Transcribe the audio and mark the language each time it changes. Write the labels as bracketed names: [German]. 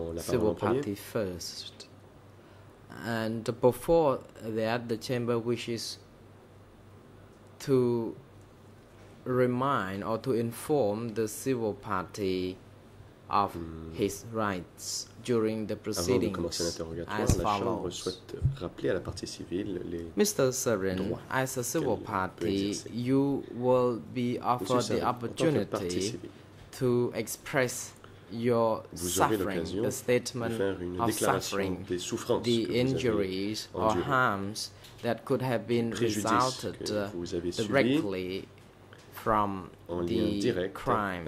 [English] the civil party first. And before that, the chamber wishes to remind or to inform the civil party of his rights during the proceedings. [French] Avant de commencer l'interrogatoire, la chambre souhaite rappeler à la partie civile les [English] Mr. Saran, as a civil party, you will be offered the opportunity to express your suffering, the statement of suffering, [French] des souffrances, [English] the injuries or harms that could have been resulted directly from the crimes